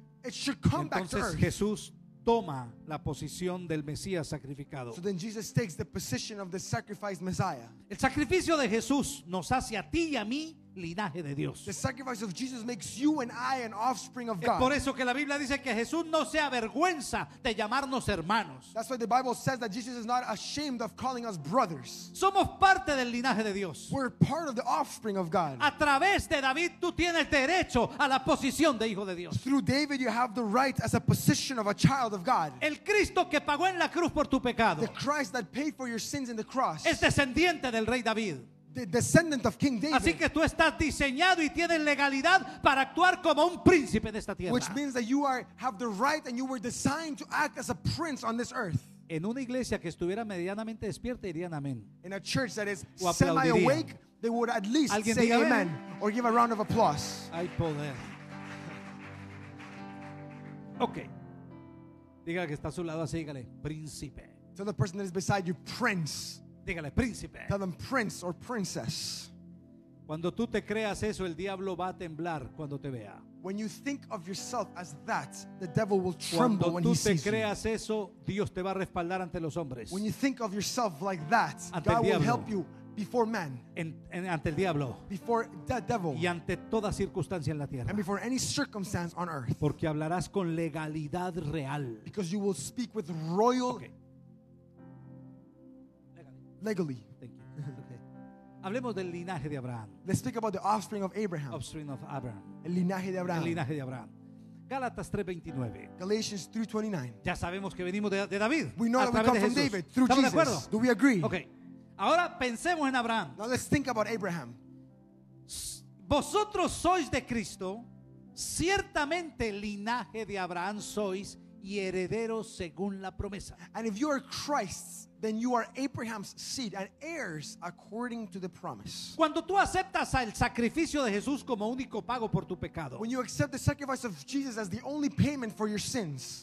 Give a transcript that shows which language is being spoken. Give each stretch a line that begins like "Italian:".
English: It should come back to earth.
Spanish: Entonces Jesús toma la posición del Mesías sacrificado.
English: So then Jesus takes the position of the sacrificed Messiah.
Spanish: El sacrificio de Jesús nos hace a ti y a mí linaje de Dios.
English: The sacrifice of Jesus makes you and I an offspring of God.
Spanish: Es por eso que la Biblia dice que Jesús no se avergüenza de llamarnos hermanos.
English: That's why the Bible says that Jesus is not ashamed of calling us brothers.
Spanish: Somos parte del linaje de Dios.
English: We're part of the offspring of God.
Spanish: A través de David tú tienes derecho a la posición de hijo de Dios.
English: Through David you have the right as a position of a child of God.
Spanish: El Cristo que pagó en la cruz por tu pecado.
English: The Christ that paid for your sins in the cross.
Spanish: Es descendiente del rey David.
English: The descendant of King David.
Spanish: Así que tú estás diseñado y tienes legalidad para actuar como un príncipe en esta tierra.
English: Which means that you have the right and you were designed to act as a prince on this earth.
Spanish: En una iglesia que estuviera medianamente despierta dirían amén.
English: In a church that is semi-awake, they would at least say amen or give a round of applause.
Spanish: Hay poder.
English: Okay.
Spanish: Diga que está a su lado así, dígale, príncipe.
English: Tell the person that is beside you, prince.
Spanish: Dígale, príncipe.
English: Tell them prince or princess.
Spanish: Cuando tú te creas eso, el diablo va a temblar cuando te vea.
English: When you think of yourself as that, the devil will tremble when he sees you.
Spanish: Cuando tú te creas eso, Dios te va a respaldar ante los hombres.
English: When you think of yourself like that,
Spanish: ante
English: God will help you before men.
Spanish: Ante el diablo.
English: Before the devil.
Spanish: Y ante toda circunstancia en la tierra.
English: And before any circumstance on earth.
Spanish: Porque hablarás con legalidad real.
English: Because you will speak with royal. Okay. Legally. Thank you. Okay.
Spanish: Hablemos del linaje de Abraham.
English: Let's speak about the offspring of Abraham. Offspring of Abraham.
Spanish: El linaje de Abraham. El linaje de Abraham. Gálatas 3:29.
English: Galatians 3:29.
Spanish: Ya sabemos que venimos de David.
English: We know that we come from David through Jesus.
Spanish: ¿Estamos de acuerdo?
English: Do we agree?
Spanish: Okay. Ahora pensemos en Abraham.
English: Now let's think about Abraham.
Spanish: Vosotros sois de Cristo, ciertamente linaje de Abraham sois y herederos según la promesa.
English: And if you are Christ's, then you are Abraham's seed and heirs according to the promise.
Spanish: Cuando tú aceptas al sacrificio de Jesús como único pago por tu pecado,
English: when you accept the sacrifice of Jesus as the only payment for your sins,